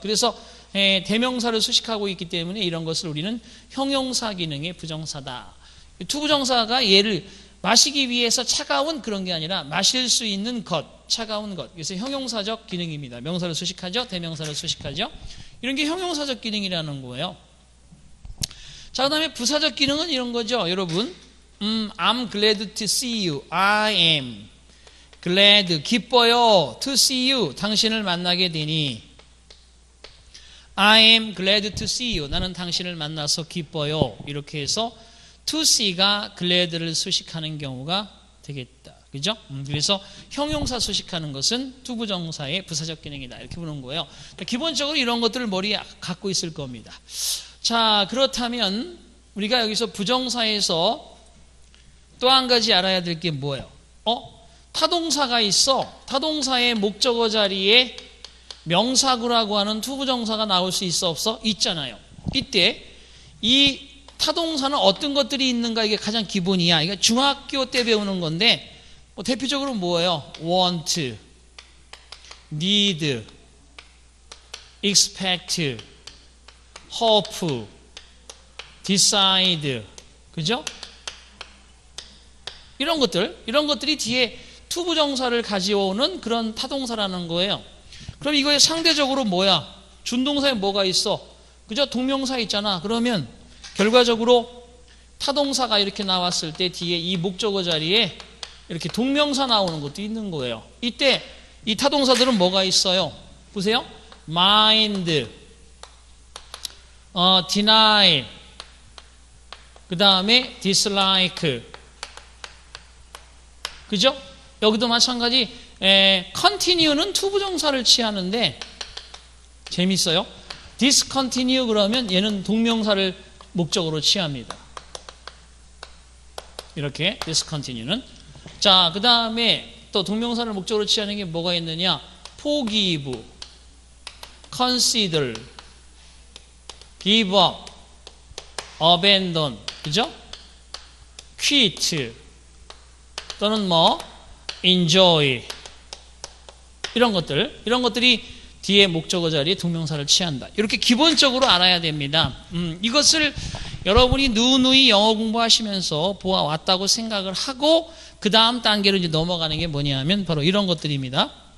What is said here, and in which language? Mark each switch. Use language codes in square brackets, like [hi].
[ko] 그래서 대명사를 수식하고 있기 때문에 이런 것을 우리는 형용사 기능의 부정사다. 투부정사가 얘를 마시기 위해서 차가운 그런 게 아니라 마실 수 있는 것, 차가운 것. 그래서 형용사적 기능입니다. 명사를 수식하죠, 대명사를 수식하죠. 이런 게 형용사적 기능이라는 거예요. 자, 그 다음에 부사적 기능은 이런 거죠. [en] 여러분, I'm glad to see you. I am glad, [ko] 기뻐요, [en] to see you, [ko] 당신을 만나게 되니. [en] I am glad to see you. [ko] 나는 당신을 만나서 기뻐요. 이렇게 해서 to see가 glad를 수식하는 경우가 되겠다. 그죠? 그래서 형용사 수식하는 것은 투부정사의 부사적 기능이다. 이렇게 보는 거예요. 기본적으로 이런 것들을 머리에 갖고 있을 겁니다. 자, 그렇다면 우리가 여기서 부정사에서 또 한 가지 알아야 될 게 뭐예요? 타동사가 있어. 타동사의 목적어 자리에 명사구라고 하는 투부정사가 나올 수 있어 없어? 있잖아요. 이때 이 타동사는 어떤 것들이 있는가, 이게 가장 기본이야. 이게 중학교 때 배우는 건데 뭐 대표적으로 뭐예요? [en] want, need, expect, hope, decide. [ko] 그죠? 이런 것들이 뒤에 투부정사를 가져오는 그런 타동사라는 거예요. 그럼 이거에 상대적으로 뭐야? 준동사에 뭐가 있어? 그죠? 동명사 있잖아. 그러면 결과적으로 타동사가 이렇게 나왔을 때 뒤에 이 목적어 자리에 이렇게 동명사 나오는 것도 있는 거예요. 이때 이 타동사들은 뭐가 있어요? 보세요. [en] mind, deny, [ko] 그 다음에 [en] dislike. [ko] 그죠? 여기도 마찬가지. continue는 투부정사를 취하는데, 재밌어요. discontinue 그러면 얘는 동명사를 목적으로 취합니다. 이렇게 discontinue는. 자, 그 다음에 또 동명사를 목적으로 취하는 게 뭐가 있느냐? [en] forgive, consider, give up, abandon, 그죠? quit, [ko] 또는 뭐, [en] enjoy. [ko] 이런 것들이 뒤에 목적어 자리에 동명사를 취한다. 이렇게 기본적으로 알아야 됩니다. 이것을 여러분이 누누이 영어 공부하시면서 보아왔다고 생각을 하고 그 다음 단계로 이제 넘어가는 게 뭐냐 하면 바로 이런 것들입니다.